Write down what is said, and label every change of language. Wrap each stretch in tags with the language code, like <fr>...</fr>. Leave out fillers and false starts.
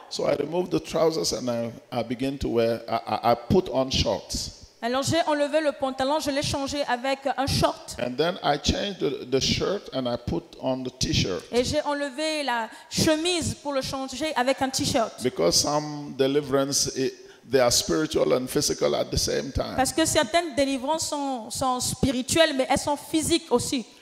<en>So I removed the trousers and I began to wear. I put on shorts.</en> <fr>Alors j'ai enlevé le pantalon, je l'ai changé avec un short.</fr> <en>And then I changed the shirt and I put on the t-shirt.</en> <fr>Et j'ai enlevé la chemise pour le changer avec un t-shirt.</fr> <en>Because some deliverance. They are spiritual and physical at the same time.</en> <fr>Parce que certaines délivrances sont spirituelles, mais elles sont physiques aussi.</fr>